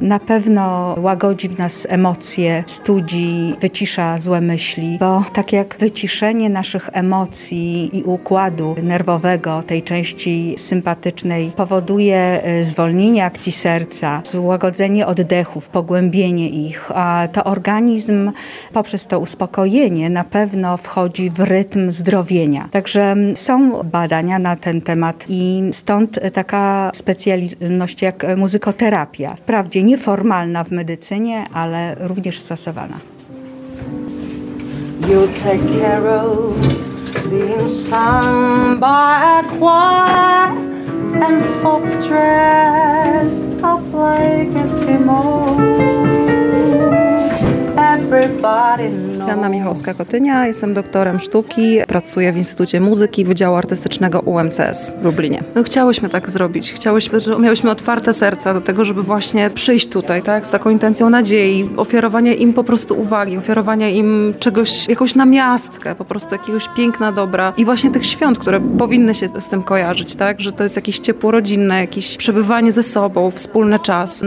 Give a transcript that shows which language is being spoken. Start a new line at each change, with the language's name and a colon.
Polish: Na pewno łagodzi w nas emocje, studzi, wycisza złe myśli, bo tak jak wyciszenie naszych emocji i układu nerwowego, tej części sympatycznej, powoduje zwolnienie akcji serca, złagodzenie oddechów, pogłębienie ich, a to organizm poprzez to uspokojenie na pewno wchodzi w rytm zdrowienia. Także są badania na ten temat i stąd taka specjalność jak muzykoterapia. Wprawdzie nieformalna w medycynie, ale również stosowana.
English: You'll take carols being sung by a choir and folks dressed up like Eskimos. Everybody knows.
Polish: Anna Michałowska-Kotynia, jestem doktorem sztuki, pracuję w Instytucie Muzyki Wydziału Artystycznego UMCS w Lublinie. No chciałyśmy tak zrobić, miałyśmy otwarte serca do tego, żeby właśnie przyjść tutaj, tak, z taką intencją nadziei, ofiarowanie im po prostu uwagi, ofiarowanie im czegoś, jakąś namiastkę, po prostu jakiegoś piękna dobra i właśnie tych świąt, które powinny się z tym kojarzyć, tak, że to jest jakieś ciepło rodzinne, jakieś przebywanie ze sobą, wspólny czas.